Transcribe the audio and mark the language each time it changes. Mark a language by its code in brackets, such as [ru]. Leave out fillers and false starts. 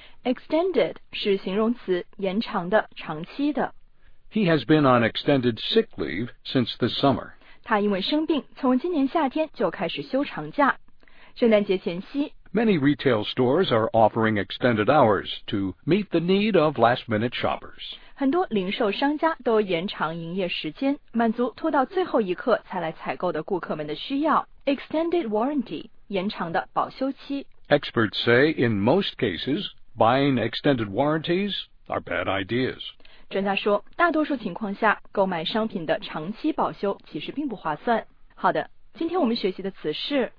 [zh] Extended 是形容词，延长的，长期的。 [en] He has been on extended sick leave since this summer. [zh] 他因为生病，从今年夏天就开始休长假。圣诞节前夕， [en] Many retail stores are offering extended hours to meet the need of last-minute shoppers. [zh] 很多零售商家都延长营业时间，满足拖到最后一刻才来采购的顾客们的需要。 [en] Extended warranty, [zh] 延长的保修期。 [en] Experts say in most cases, buying extended warranties are bad ideas. [zh] 专家说，大多数情况下，购买商品的长期保修其实并不划算。好的，今天我们学习的词是